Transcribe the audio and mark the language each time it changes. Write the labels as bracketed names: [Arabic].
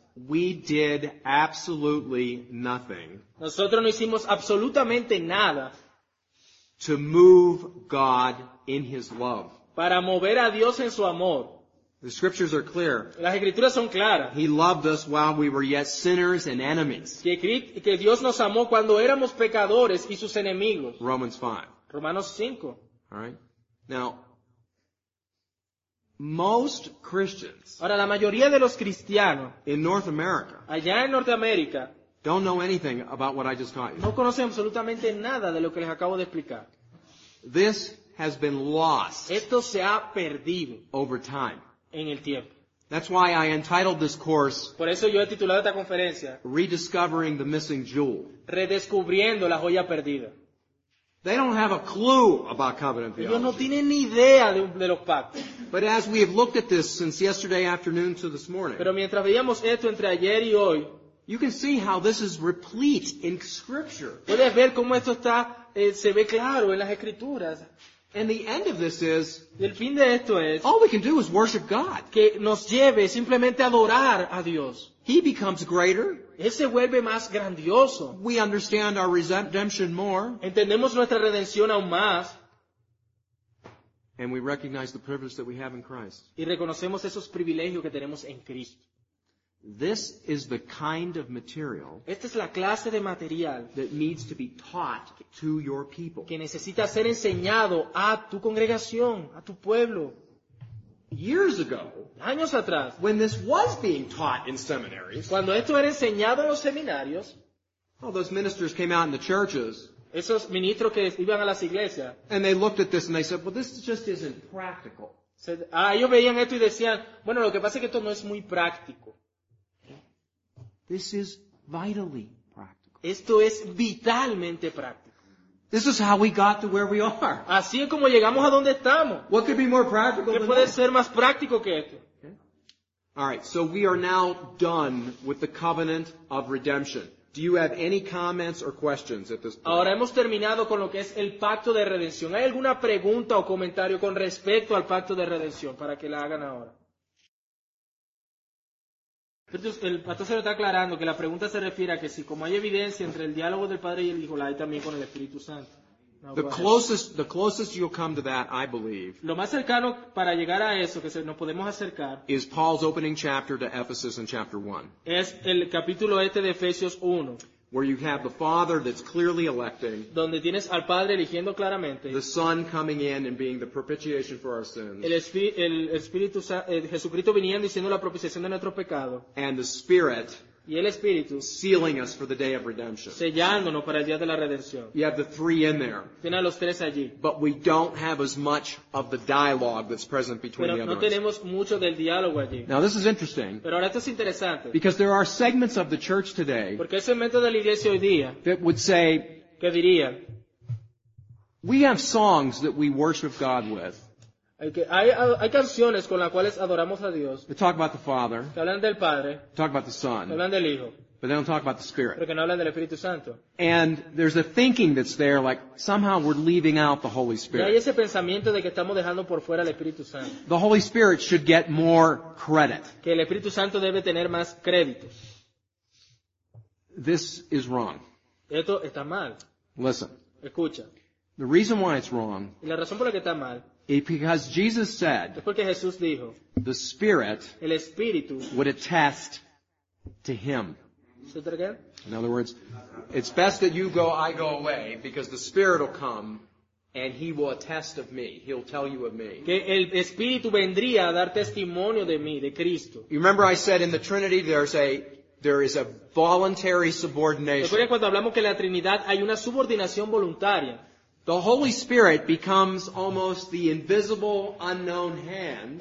[English] We did absolutely nothing. [Spanish] Nosotros no hicimos absolutamente nada. [English] To move God in His love. [Spanish] Para mover a Dios en su amor. [English] The scriptures are clear. [Spanish] Las escrituras son claras. [English] He loved us while we were yet sinners and enemies. [Spanish] Que Dios nos amó cuando éramos pecadores y sus enemigos. [English] Romans 5. [Spanish] Romanos 5. [English] All right. Now, most Christians, [Spanish] ahora, la mayoría de los cristianos, [English] in North America, [Spanish] allá en Norteamérica, [English] don't know anything about what I just taught you. [Spanish] No conocen absolutamente nada de lo que les acabo de explicar. [English] This has been lost. [Spanish] Esto se ha perdido [English] over time. [Spanish] En el tiempo. [English] That's why I entitled this course, [Spanish] por eso yo he titulado esta conferencia, [English] Rediscovering the Missing Jewel. [Spanish] Redescubriendo la joya perdida. [English] They don't have a clue about covenant theology. [Spanish] Ellos no tienen ni idea de los pactos. [English] But as we have looked at this since yesterday afternoon to this morning, [Spanish] pero mientras veíamos esto entre ayer y hoy, [English] you can see how this is replete in Scripture. [Spanish] Puedes ver cómo esto está, se ve claro en las Escrituras. [English] And the end of this is, [Spanish] el fin de esto es, [English] all we can do is worship God. [Spanish] Que nos lleve simplemente a adorar a Dios. [English] He becomes greater. [Spanish] Él se vuelve más grandioso. [English] We understand our redemption more. [Spanish] Entendemos nuestra redención aún más. [English] And we recognize the privilege that we have in Christ. [Spanish] Y reconocemos esos privilegios que tenemos en Cristo. [English] This is the kind of material, [Spanish] esta es la clase de material [English] that needs to be taught to your people. [Spanish] Que necesita ser enseñado a tu congregación, a tu pueblo. [English] Years ago, [Spanish] años atrás, [English] when this was being taught in seminaries, [Spanish] cuando esto era enseñado en los seminarios, [English] all those ministers came out in the churches, [Spanish] esos ministros que iban a las iglesias, [English] and they looked at this and they said, well, this just isn't practical. [Spanish] Ellos veían esto y decían, bueno, lo que pasa es que esto no es muy práctico. [English] This is vitally practical. [Spanish] Esto es vitalmente práctico. [English] This is how we got to where we are. [Spanish] Así es como llegamos a donde estamos. [English] What could be more practical than that? [Spanish] ¿Qué puede [English] that? [Spanish] Ser más práctico que esto? [English] Okay. All right, so we are now done with the covenant of redemption. Do you have any comments or questions at this point? [Spanish] Ahora hemos terminado con lo que es el pacto de redención. ¿Hay alguna pregunta o comentario con respecto al pacto de redención para que la hagan ahora? El pastor se lo está aclarando que la pregunta se refiere a que si como hay evidencia entre el diálogo del Padre y el Hijo, la hay también con el Espíritu Santo. [English] The closest you'll come to that, I believe, [Spanish] lo más cercano para llegar a eso, que nos podemos acercar, [English] is Paul's opening chapter to Ephesus in chapter 1. [Spanish] Es el capítulo este de Efesios 1. [English] Where you have the Father that's clearly electing, [Spanish] donde tienes al Padre eligiendo claramente, [English] the Son coming in and being the propitiation for our sins, [Spanish] el Jesucristo viniendo y siendo la propiciación de nuestros pecados, [English] and the Spirit, [Spanish] y el Espíritu, [English] sealing us for the day of redemption, [Spanish] sellándonos para el día de la redención. [English] You have the three in there, [Spanish] tienes a los tres allí, [English] but we don't have as much of the dialogue that's present between [Spanish] pero [English] the others. [Spanish] No tenemos mucho del diálogo allí. [English] Now this is interesting, [Spanish] pero ahora esto es interesante, [English] because there are segments of the church today, [Spanish] porque hay segmentos de la iglesia hoy día, [English] that would say, [Spanish] que dirían, [English] we have songs that we worship God with. [Spanish] Hay canciones con las cuales adoramos a Dios. [English] They talk about the Father. [Spanish] Que hablan del Padre. [English] Talk about the Son. [Spanish] Que hablan del Hijo. [English] But they don't talk about the Spirit. [Spanish] Pero que no hablan del Espíritu Santo. [English] And there's a thinking that's there, like somehow we're leaving out the Holy Spirit. [Spanish] Y hay ese pensamiento de que estamos dejando por fuera el Espíritu Santo. [English] The Holy Spirit should get more credit. [Spanish] Que el Espíritu Santo debe tener más créditos. [English] This is wrong. [Spanish] Esto está mal. [English] Listen. [Spanish] Escucha. [English] The reason why it's wrong, [Spanish] y la razón por la que está mal, [English] because Jesus said, [Spanish] es porque Jesús dijo, [English] the Spirit, [Spanish] el Espíritu, [English] would attest to him. Say that again? In other words, it's best that you go, I go away, because the Spirit will come and he will attest of me. He'll tell you of me. [Spanish] Que el Espíritu vendría a dar testimonio de mí, de Cristo. [English] You remember I said in the Trinity there is a voluntary subordination. [Spanish] ¿Recuerdas cuando hablamos que en la Trinidad hay una subordinación voluntaria? [English] The Holy Spirit becomes almost the invisible, unknown hand.